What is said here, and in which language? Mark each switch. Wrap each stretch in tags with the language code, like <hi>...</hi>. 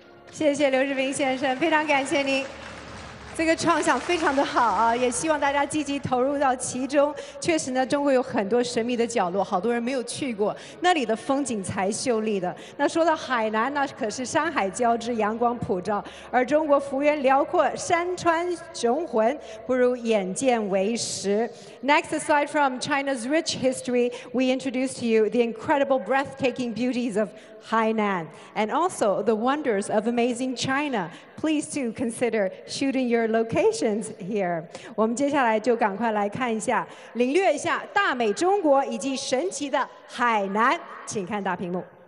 <zh>谢谢刘知冰先生，非常感谢您。这个创想非常的好啊，也希望大家积极投入到其中。确实呢，中国有很多神秘的角落，好多人没有去过，那里的风景才秀丽的。那说到海南，那可是山海交织，阳光普照，而中国幅员辽阔，山川雄浑，不如眼见为实。</zh> <en>Next, aside from China's rich history, we introduce to you the incredible breathtaking beauties of Hainan and also the wonders of amazing China. Please do consider shooting your locations here.</en> <zh>我们接下来就赶快来看一下，领略一下大美中国以及神奇的海南，请看大屏幕。</zh>